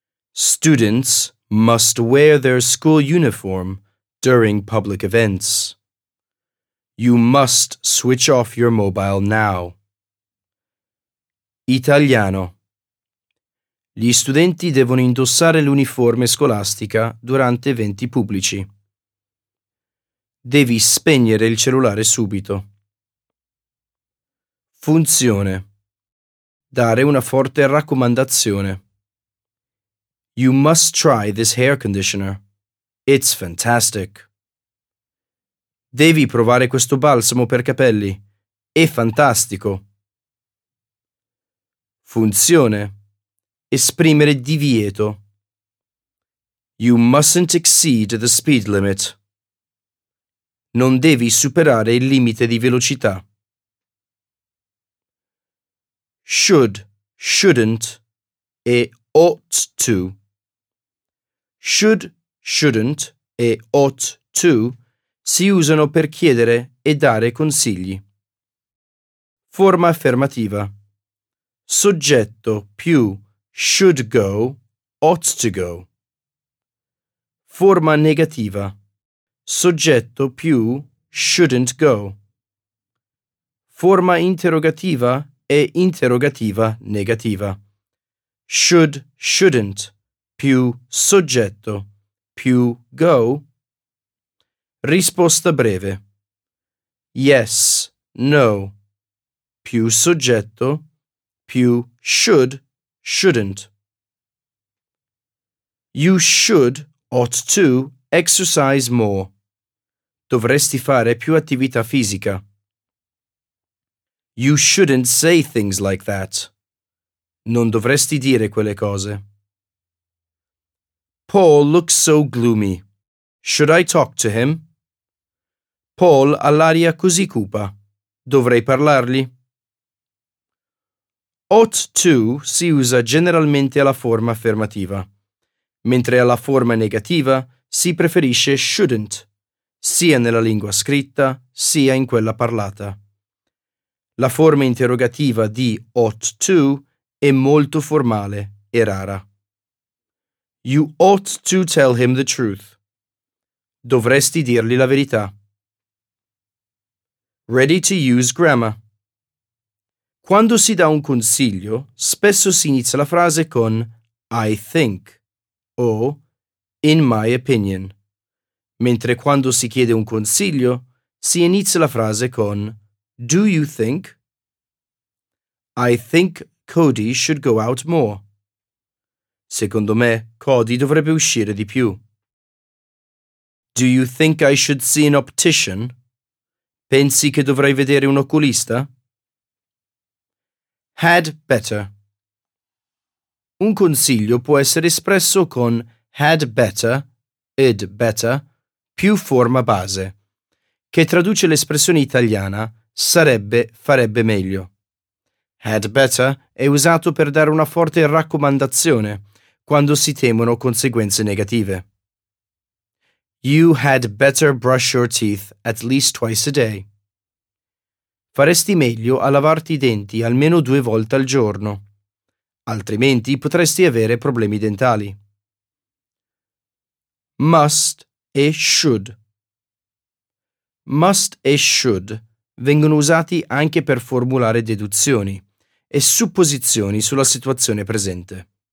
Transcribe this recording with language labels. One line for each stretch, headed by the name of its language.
English: Students must wear their school uniform during public events. You must switch off your mobile now.
Italian: Italiano. Gli studenti devono indossare l'uniforme scolastica durante eventi pubblici. Devi spegnere il cellulare subito. Funzione. Dare una forte raccomandazione.
English: You must try this hair conditioner. It's fantastic.
Italian: Devi provare questo balsamo per capelli. È fantastico. Funzione. Esprimere divieto.
English: You mustn't exceed the speed limit.
Italian: Non devi superare il limite di velocità.
English: Should, shouldn't e ought to.
Italian: Should, shouldn't e ought to si usano per chiedere e dare consigli. Forma affermativa. Soggetto più should go, ought to go. Forma negativa. Soggetto più shouldn't go. Forma interrogativa e interrogativa negativa. Should, shouldn't, più soggetto, più go. Risposta breve. Yes, no, più soggetto, più should, shouldn't.
English: You should, ought to, exercise more.
Italian: Dovresti fare più attività fisica.
English: You shouldn't say things like that.
Italian: Non dovresti dire quelle cose.
English: Paul looks so gloomy. Should I talk to him?
Italian: Paul ha l'aria così cupa. Dovrei parlargli? Ought to si usa generalmente alla forma affermativa, mentre alla forma negativa si preferisce shouldn't, sia nella lingua scritta sia in quella parlata. La forma interrogativa di ought to è molto formale e rara.
English: You ought to tell him the truth.
Italian: Dovresti dirgli la verità.
English: Ready to use grammar.
Italian: Quando si dà un consiglio, spesso si inizia la frase con
English: I think
Italian: o
English: in my opinion,
Italian: mentre quando si chiede un consiglio, si inizia la frase con
English: do you think? I think Cody should go out more.
Italian: Secondo me, Cody dovrebbe uscire di più.
English: Do you think I should see an optician?
Italian: Pensi che dovrei vedere un oculista? Had better. Un consiglio può essere espresso con had better, id better, più forma base, che traduce l'espressione italiana sarebbe, farebbe meglio. Had better è usato per dare una forte raccomandazione quando si temono conseguenze negative.
English: You had better brush your teeth at least twice a day.
Italian: Faresti meglio a lavarti i denti almeno due volte al giorno, altrimenti potresti avere problemi dentali. Must e should. Must e should vengono usati anche per formulare deduzioni e supposizioni sulla situazione presente.